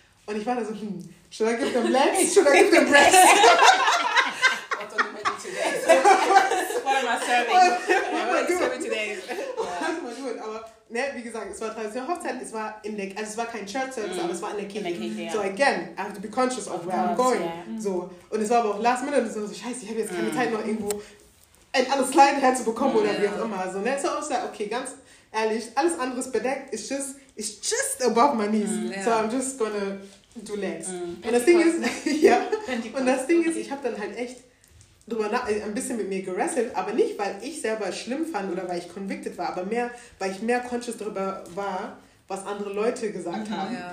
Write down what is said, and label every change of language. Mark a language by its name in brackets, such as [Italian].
[German] Und ich war da so, [English] should I give them legs? Should I give them breasts? What am I serving? What am I serving today? [German] Aber ne, wie gesagt, es war traditionelle Hochzeit, es war in der, also es war kein Church Service, aber es war in der Kirche. [English] So again, I have to be conscious of where I'm going. [German] So, und es war aber auch last minute, und so, scheiße, ich habe jetzt keine Zeit noch irgendwo ein anderes Kleid herzubekommen oder wie auch immer. So, ne? So, ich war okay, ganz ehrlich, alles andere ist bedeckt, ist just, [English] it's just above my knees. So I'm just gonna do legs. [German] Und das Ding ist, und das Ding ist, ich habe dann halt echt drüber nach, ein bisschen mit mir gewrestelt, aber nicht, weil ich selber schlimm fand oder weil ich convicted war, aber mehr, weil ich mehr conscious darüber war, was andere Leute gesagt haben.